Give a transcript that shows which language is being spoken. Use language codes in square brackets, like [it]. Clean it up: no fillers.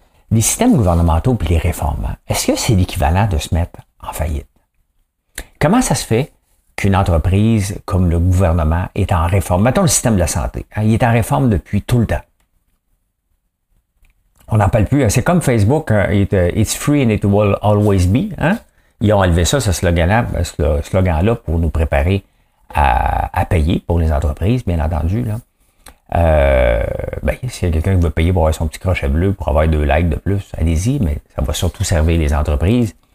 [fr] Les systèmes gouvernementaux et les réformes, est-ce que c'est l'équivalent de se mettre en faillite? Comment ça se fait qu'une entreprise comme le gouvernement est en réforme? Mettons le système de la santé. Hein, il est en réforme depuis tout le temps. On n'en parle plus. Hein, c'est comme Facebook. [en] It's free and it will always be. [fr] Hein? Ils ont enlevé ça, ce slogan-là, pour nous préparer à payer pour les entreprises, bien entendu. Là. S'il y a quelqu'un qui veut payer pour avoir son petit crochet bleu, pour avoir deux likes de plus, allez-y, mais ça va surtout servir les entreprises.